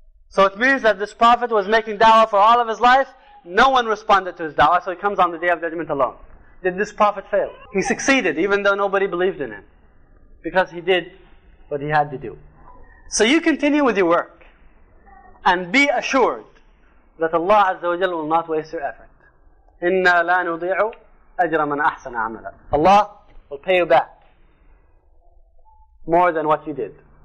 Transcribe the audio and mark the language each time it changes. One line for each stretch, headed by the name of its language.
English: So it means that this prophet was making da'wah for all of his life, no one responded to his da'wah, so he comes on the Day of Judgment alone. Did this prophet fail? He succeeded, even though nobody believed in him, because he did what he had to do. So you continue with your work, and be assured that Allah Azza wa Jalla will not waste your effort.
Arabic: إِنَّا لَا نُضِيعُ أَجْرَ مَنْ أَحْسَنَ عَمَلًا.
English: Allah will pay you back more than what you did.